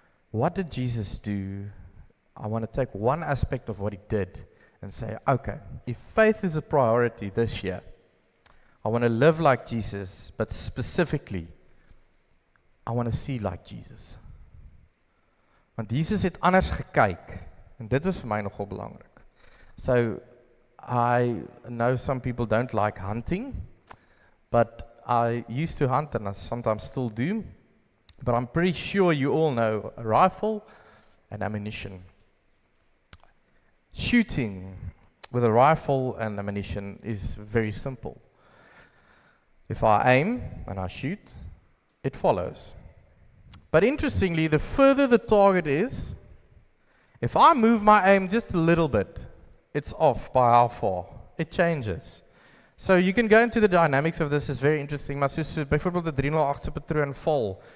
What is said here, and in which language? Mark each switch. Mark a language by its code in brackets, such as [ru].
[en] What did Jesus do? I want to take one aspect of what he did and say, okay, if faith is a priority this year, I want to live like Jesus, but specifically, I want to see like Jesus. [af] Want Jesus het anders gekyk. En dit is vir my nogal belangrik. [en] So, I know some people don't like hunting. But I used to hunt and I sometimes still do. But I'm pretty sure you all know a rifle and ammunition. Shooting with a rifle and ammunition is very simple. If I aim and I shoot, it follows. But interestingly, the further the target is, if I move my aim just a little bit, it's off by how far. It changes. So you can go into the dynamics of this. It's very interesting. My sister, [nl] bijvoorbeeld [en] the 308 [nl] patroon [en] fall.